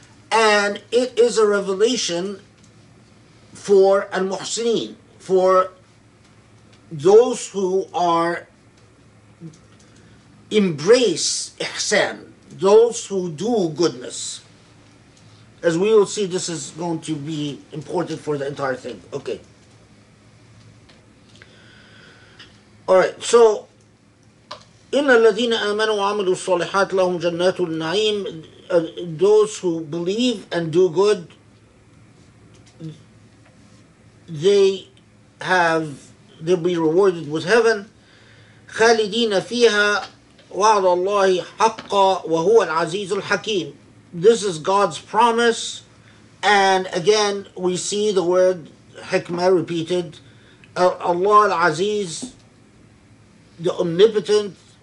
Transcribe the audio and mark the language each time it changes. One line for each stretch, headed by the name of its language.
English: And it is a revelation for al-muhsinin, for those who are embrace ihsan, those who do goodness. As we will see, this is going to be important for the entire thing. Okay. All right, so
Arabic: إِنَّ الَّذِينَ آمَنُوا وَعَمِلُوا الصَّالِحَاتِ لَهُمْ جَنَّاتُ النَّعِيمِ.
English: Those who believe and do good, they'll be rewarded with heaven.
Arabic: خالدين فيها وعد الله حقا وهو العزيز الحكيم.
English: This is God's promise, and again we see the word hikmah repeated. Allah al-Aziz, the omnipotent.